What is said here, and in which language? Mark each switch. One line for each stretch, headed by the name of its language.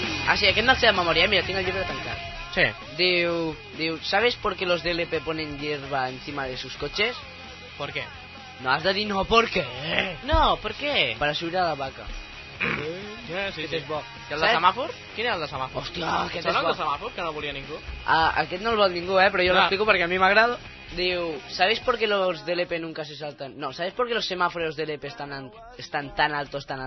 Catalan: Ah, sí, aquest no el sé de memòria, mira, tinc el llibre tancat. Sí. Diu,
Spanish: ¿sabes por qué los DLP ponen hierba encima de sus coches? ¿Por qué?
Catalan: No, has de dir no,
Spanish: ¿por qué? No, ¿por qué? Para subir a la vaca.
Catalan: Sí. És bo. I el de semàfor? Quin era el de semàfor? Hòstia, aquest és bo. Són el de semàfor, que no volia ningú. Aquest no el vol ningú, però jo l'explico perquè a mi m'agrada. Diu,
Spanish: ¿sabes por qué los DLP nunca se saltan? No, ¿sabes por qué los semáforos DLP están tan altos?